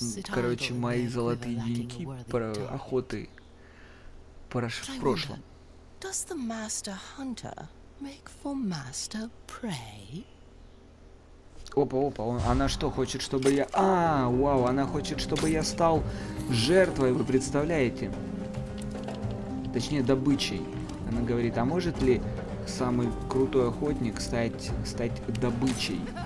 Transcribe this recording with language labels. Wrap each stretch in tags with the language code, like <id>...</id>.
<ru>Короче, мои золотые деньки про охоты в прошлом.</ru> <en>Does the master hunter make for master prey?</en> <ru>Опа-опа, она что, хочет, чтобы я... А, вау, она хочет, чтобы я стал жертвой, вы представляете? Точнее, добычей. Она говорит, а может ли самый крутой охотник стать добычей?</ru>